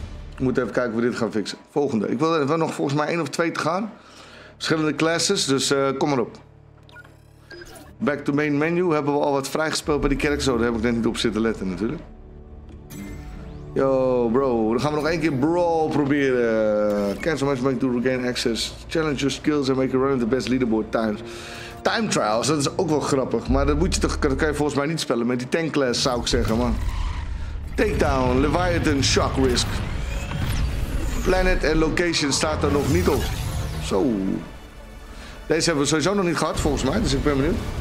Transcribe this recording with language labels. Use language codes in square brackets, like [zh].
[nl] Ik moet even kijken of we dit gaan fixen. Volgende. Ik wil er nog volgens mij één of twee te gaan. Verschillende classes, dus kom maar op. [en] Back to main menu. [nl] Hebben we al wat vrijgespeeld bij die kerk? Zo, daar heb ik net niet op zitten letten natuurlijk. [en] Yo, bro. [nl] Dan gaan we nog één keer brawl proberen. [en] Cancel match, make to regain access. Challenge your skills and make a run at the best leaderboard times. [nl] Time trials, dat is ook wel grappig. Maar dat moet je toch, dat kan je volgens mij niet spellen met die tank class, zou ik zeggen, man. Takedown, Leviathan, Shock Risk. Planet en location staat er nog niet op. Zo. Deze hebben we sowieso nog niet gehad, volgens mij, dus ik ben benieuwd.